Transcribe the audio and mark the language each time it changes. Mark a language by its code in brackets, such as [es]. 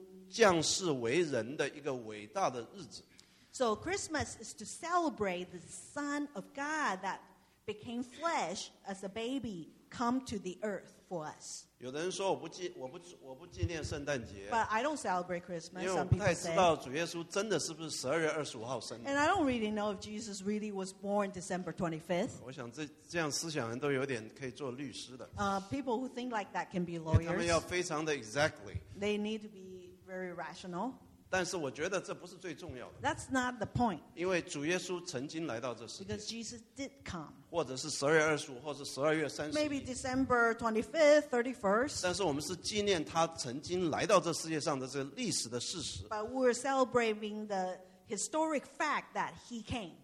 [zh] 所以圣诞节就是纪念神的儿子耶稣基督降世为人的一个伟大的日子。 [en] So Christmas is to celebrate the Son of God that became flesh as a baby come to the earth for us. [zh] 有的人说我不纪念圣诞节， [en] but I don't celebrate Christmas. [zh] 因为我不太知道主耶稣真的是不是12月25号生的， [en] and I don't really know if Jesus really was born December 25th. [zh] 我想这样思想人都有点可以做律师的。 [en] People who think like that can be lawyers. [zh] 他们要非常的 exactly. [en] They need to be very rational. [zh] 但是我觉得这不是最重要的。 [en] That's not the point. [zh] 因为主耶稣曾经来到这世界， [en] because Jesus did come. [zh] 或者是12月25号，或者12月31号， [en] maybe December 25th, 31st. [zh] 但是我们是纪念他曾经来到这世界上的这个历史的事实。 [en] But we're celebrating the historic fact that he came.